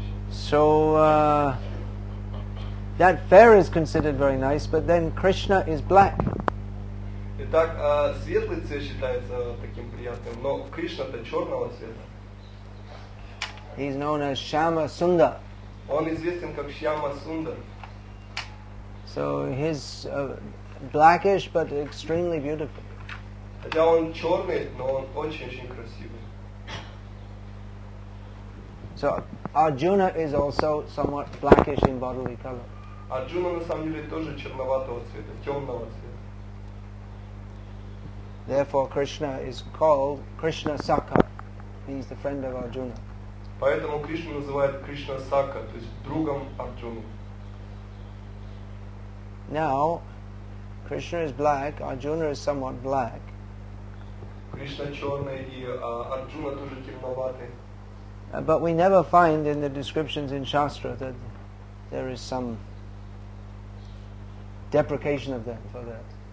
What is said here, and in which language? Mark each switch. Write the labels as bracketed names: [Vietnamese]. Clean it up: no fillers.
[English] So that fair is considered very nice, but then Krishna is black. [Russian] Итак, светлый цвет считается таким приятным, но Кришна-то черного цвета. [English] He's known as Shyama Sundar. [Russian] Он известен как Shyama Sundar. [English] So he's blackish but extremely beautiful. [Russian] Хотя он черный, но он очень-очень красивый. [English] So Arjuna is also somewhat blackish in bodily color. [Russian] Arjuna на самом деле тоже черноватого цвета, темного цвета. [English] Therefore Krishna is called Krishna Sakha. He's the friend of Arjuna. [Russian] Поэтому Кришну называют Кришна Сакха, то есть другом Арджуны. [English] Now, Krishna is black, Arjuna is somewhat black. [Russian] Krishna черный и Arjuna тоже темноватый. [English] But we never find in the descriptions in Shastra that there is some deprecation of them for that.